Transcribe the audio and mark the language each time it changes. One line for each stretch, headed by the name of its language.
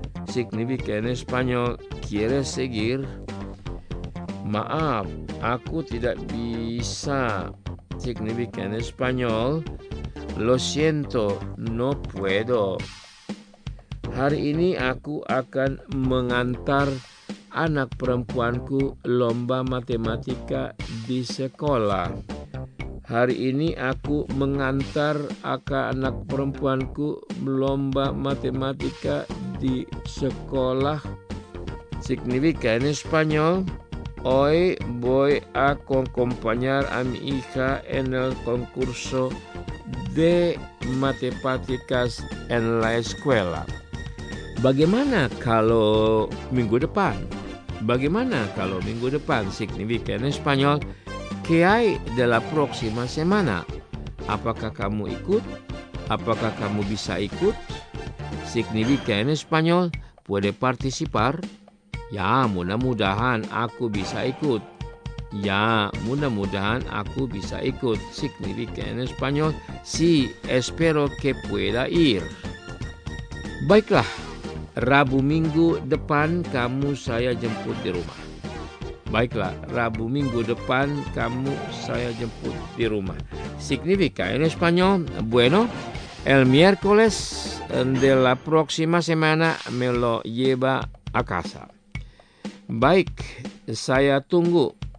Spanish: Significa en español, ¿quieres seguir?
Indonesian: Maaf, aku tidak bisa.
Spanish: Significa en español, lo siento, no puedo.
Indonesian: Hari ini aku akan mengantar anak perempuanku lomba matematika di sekolah. Hari ini aku mengantar anak perempuanku lomba matematika di sekolah.
Spanish: Significa en español, hoy voy a acompañar a mi hija en el concurso de matemáticas en la escuela.
Indonesian: Bagaimana kalau minggu depan? Bagaimana kalau minggu depan?
Spanish: Significa en español, ¿qué hay de la próxima semana?
Indonesian: Apakah kamu ikut? Apakah kamu bisa ikut?
Spanish: Significa en español, ¿puede participar?
Indonesian: Ya, mudah-mudahan aku bisa ikut. Ya, mudah-mudahan aku bisa ikut.
Spanish: Significa en español, sí, espero que pueda ir.
Indonesian: Baiklah, Rabu minggu depan kamu saya jemput di rumah. Baiklah, Rabu minggu depan kamu saya jemput di rumah.
Spanish: Significa en español, bueno. El miércoles de la próxima semana me lo lleva a casa.
Indonesian: Baik, saya tunggu.